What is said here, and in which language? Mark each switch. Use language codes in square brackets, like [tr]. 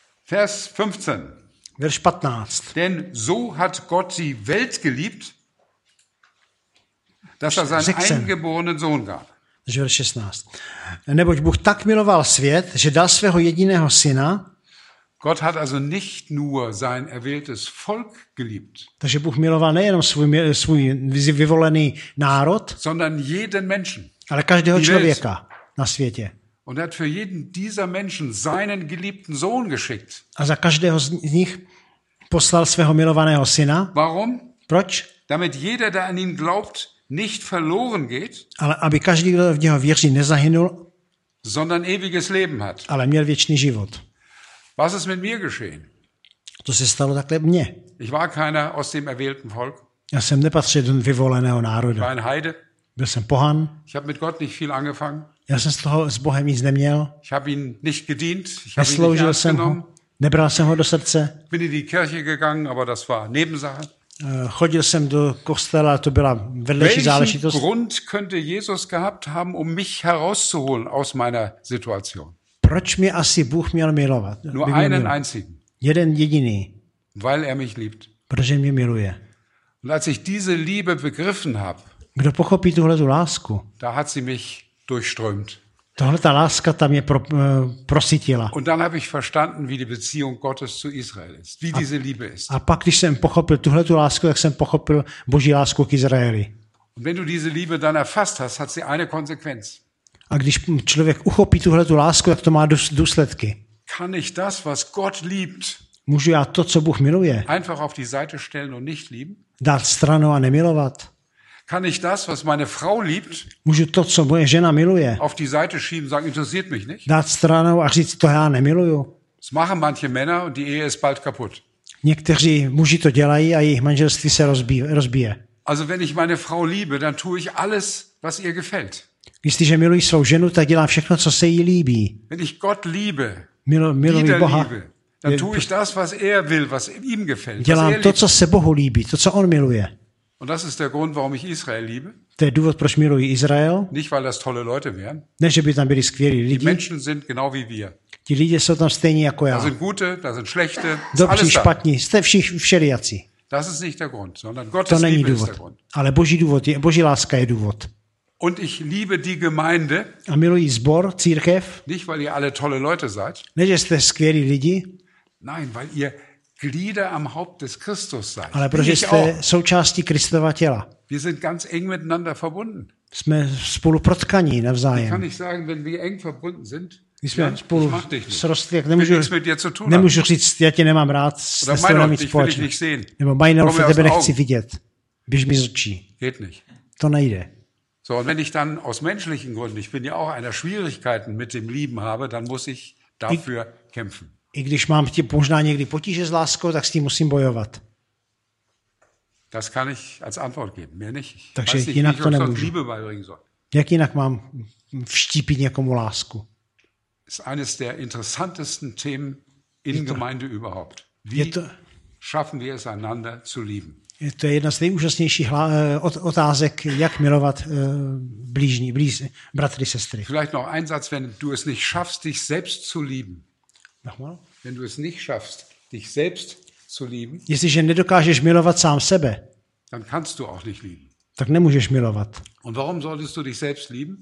[de] Vers 15. Vers 15. Denn so hat Gott die Welt geliebt, dass er seinen eingeborenen Sohn gab. Vers 16. [cs] Neboť Bůh tak miloval svět, že dal svého jediného syna. [de] Gott hat also nicht nur sein erwähltes Volk geliebt. [cs] Takže Bůh miloval nejenom svůj vyvolený národ, [de] sondern jeden Menschen. [cs] Ale každého člověka na světě. [de] Und hat für jeden dieser Menschen seinen geliebten Sohn geschickt. [cs] A za každého z nich poslal svého milovaného syna. [de] Warum? [cs] Proč? [de] Damit jeder, der an ihn glaubt, nicht verloren geht. [cs] Ale aby každý, kdo v něho věří, nezahynul, [de] sondern ewiges Leben hat. [cs] Ale měl věčný život. [de] Was ist mit mir geschehen? [cs] To se stalo takhle mně. [de] Ich war keiner aus dem erwählten Volk. [cs] Já jsem nepatřil do vyvoleného národa. [de] Ich war ein Heide. [cs] Byl jsem pohan. [de] Ich habe mit Gott nicht viel angefangen. [cs] Já jsem s Bohem nic neměl. [de] Ich habe ihn nicht gedient. Ich habe ihn nicht angenommen. [cs] Ho. Nebral jsem ho do srdce. [de] Bin in die Kirche gegangen, aber das war Nebensache. [cs] Chodil jsem do kostela, to byla vedlejší záležitost. [de] Welchen Grund könnte Jesus gehabt haben, um mich herauszuholen aus meiner Situation? [cs] Proč mě asi Bůh měl milovat? [de] Nur einen einzigen. [cs] Jeden jediný. [de] Weil er mich liebt. [cs] Protože mě miluje. [de] Und als ich diese Liebe begriffen habe. [cs] Kdo pochopí tuhle tu lásku? [de] Da hat sie mich durchströmt. [cs] Tohle ta láska tam je prosítila. [de] Und dann habe ich verstanden, wie die Beziehung Gottes zu Israel ist, wie diese Liebe ist. [cs] A pak když jsem pochopil tuhle tu lásku, tak jsem pochopil Boží lásku k Izraeli. [de] Und wenn du diese Liebe dann erfasst hast, hat sie eine Konsequenz. [cs] A když člověk uchopí tuhle tu lásku, tak to má důsledky. [de] Kann ich das, was Gott liebt, [cs] můžu já to, co Bůh miluje, [de] einfach auf die Seite stellen und nicht lieben? [cs] Dát stranu a nemilovat? [de] Kann ich das, was meine Frau liebt, [cs] můžu to, co moje žena miluje, [de] auf die Seite schieben, sagen, interessiert mich nicht? [cs] Dát stranu a říct, to já nemiluju. [de] Das machen manche Männer und die Ehe ist bald kaputt. [cs] Někteří muži to dělají a jejich manželství se rozbije. [de] Also wenn ich meine Frau liebe, dann tue ich alles, was ihr gefällt. [cs] Jestliže miluji svou ženu, tak dělám všechno, co se jí líbí. [de] Wenn ich Gott liebe, [cs] miluji Boha, [de] dann tue ich das, was er will, was ihm gefällt. [cs] Dělám to, co se Bohu líbí, to, co on miluje. [de] Und das ist der Grund, warum ich Israel liebe. [cs] To je důvod, proč miluji Izrael. [de] Nicht weil das tolle Leute wären. [cs] Ne, že by tam byli skvělí lidi. [de] Die Menschen sind genau wie wir. [cs] Ti lidé jsou tam stejní jako já. [de] Da sind gute, da sind schlechte. [cs] Dobří, špatní, jste všelijací. [de] Das ist nicht der Grund, sondern Gottes Liebe ist der Grund. [cs] Ale Boží důvod, Boží láska je důvod. [de] Und ich liebe die Gemeinde. [cs] A miluji zbor, církev. [de] Nicht weil ihr alle tolle Leute seid. [cs] Ne, že jste skvělí lidi. [de] Nein, weil ihr Glieder am Haupt des Christus sein. [cs] Ale protože jste součástí Kristova těla. [de] Wir sind ganz eng miteinander verbunden. [cs] Jsme spolu protkaní navzájem. [de] Wie kann ich sagen, wenn wir eng verbunden sind? [cs] Jsme spolu srostli, jak nemůžu, [de] ich mit dir zu tun [cs] nemůžu říct, já tě nemám rád, jste s tebou mít společně. Nebo Meinolf, tebe nechci vidět. Běž mi z očí. [de] Geht nicht. [cs] To nejde. [de] So, und wenn ich dann aus menschlichen Gründen, ich bin ja auch einer Schwierigkeiten mit dem Lieben habe, dann muss ich dafür kämpfen. [cs] I když mám možná někdy potíže s láskou, tak s tím musím bojovat. [de] Das kann ich als Antwort geben, mehr nicht. [cs] Takže jinak to nemůžu. Jak jinak mám vštípit někomu lásku? [de] Ist eines der interessantesten Themen in Gemeinde überhaupt. Wie schaffen wir es einander zu lieben? [cs] To je jedna z nejúžasnějších otázek, jak milovat blížní bratry, sestry. [de] Vielleicht noch ein Satz, wenn du es nicht schaffst, dich selbst zu lieben. Nochmal. Wenn du es nicht schaffst, dich selbst zu lieben, [cs] jestliže nedokážeš milovat sám sebe, [de] dann kannst du auch nicht lieben. [cs] Tak nemůžeš milovat. [de] Und warum solltest du dich selbst lieben?